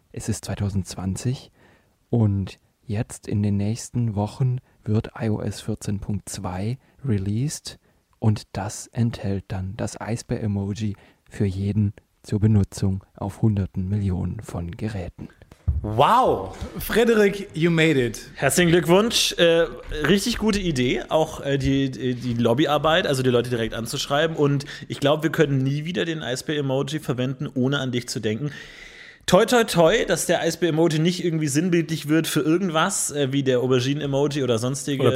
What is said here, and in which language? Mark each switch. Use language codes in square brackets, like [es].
[de] Es ist 2020 und jetzt in den nächsten Wochen wird iOS 14.2 released und das enthält dann das Eisbär-Emoji für jeden zur Benutzung auf hunderten Millionen von Geräten. [en] Wow, Frederik, you made it. [de] Herzlichen Glückwunsch, richtig gute Idee, auch die Lobbyarbeit, also die Leute direkt anzuschreiben, und ich glaube, wir können nie wieder den Eisbär-Emoji verwenden, ohne an dich zu denken. Toi, toi, toi, dass der Eisbär-Emoji nicht irgendwie sinnbildlich wird für irgendwas, wie der Aubergine-Emoji oder sonstige